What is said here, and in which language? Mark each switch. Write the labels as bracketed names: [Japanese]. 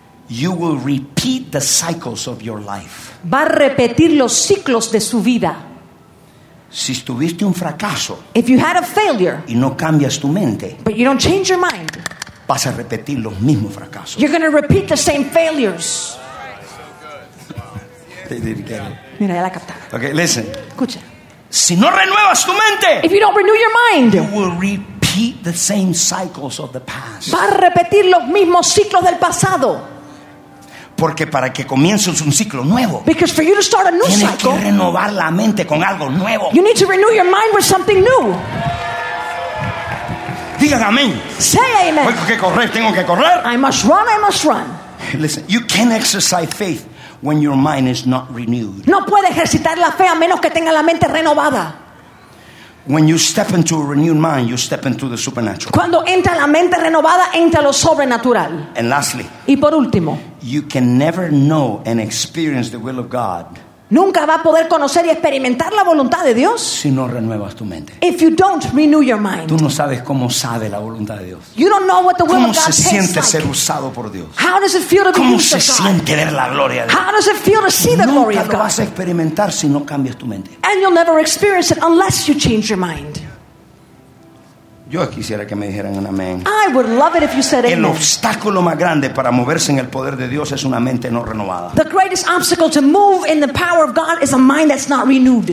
[English] You will repeat the cycles of your life. [Spanish] Va a repetir los ciclos de su vida. Si tuviste un fracaso, [English] if you had a failure, [Spanish] y no cambias tu mente, [English] but you don't change your mind, [Spanish] vas a repetir los mismos fracasos. [English] You're going to repeat the same failures. They didn't get it. [Spanish] Mira, ya la captaron. [English] Okay, listen. [Spanish] Escucha. Si no renuevas tu mente, [English] if you don't renew your mind, you will repeat the same cycles of the past. [Spanish] Va a repetir los mismos ciclos del pasado. Porque para que comiences un ciclo nuevo, [English] because for you to start a new [Spanish] tienes [English] cycle, [Spanish] que renovar la mente con algo nuevo. [English] You need to renew your mind with something new. [Spanish] Digan amén. [English] Say amen. [Spanish] Tengo que correr, tengo que correr. [English] I must run, I must run. Listen, you can't exercise faith when your mind is not renewed. [Spanish] No puede ejercitar la fe a menos que tenga la mente renovada. [English] When you step into a renewed mind, you step into the supernatural. [Spanish] Cuando entra la mente renovada, entra lo sobrenatural. [English] And lastly, [Spanish] y por último, [English] you can never know and experience the will of God. [Spanish] Nunca va a poder conocer y experimentar la voluntad de Dios si no renuevas tu mente. [English] If you don't renew your mind. [Spanish] Tú no sabes cómo sabe la voluntad de Dios. [English] You don't know what the will of God tastes like. [Spanish] ¿Cómo se siente ser usado por Dios? [English] How does it feel to be [Spanish] ¿cómo [English] used [Spanish] se [English] of God? [Spanish] Siente ver la gloria de Dios? [English] How does it feel to see the [Spanish] nunca [English] glory of God? [Spanish] Nunca vas a experimentar si no cambias tu mente. [English] And you'll never experience it unless you change your mind. [Spanish] Yo quisiera que me dijeran un amén. [English] I would love it if you said amen. [Spanish] El obstáculo más grande para moverse en el poder de Dios es una mente no renovada. [English] The greatest obstacle to move in the power of God is a mind that's not renewed.